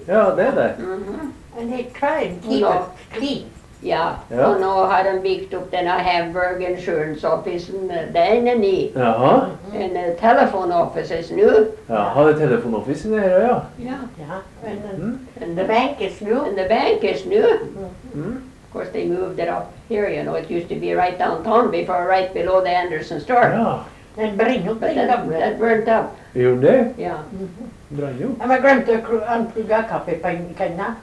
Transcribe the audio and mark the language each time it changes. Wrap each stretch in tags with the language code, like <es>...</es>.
<sv>Ja, det är det.</sv> <en>And they try and keep it clean.</en> <sv>Ja, och nu har de byggt upp den här Hamburg Insurance Office. Det är en ny. Jaha. En telefonoffice nu. Jaha, det är telefonoffice nere, ja. Ja,</sv> <en>and the bank is new. And the bank is new. Of course, they moved it up here, you know. It used to be right downtown before, right below the Anderson store.</en> <sv>Ja. Den brinner upp. Den burnt upp. Gjorde det? Ja. Brann upp. Jag glömde att anpluga kaffe på en kanna.</sv>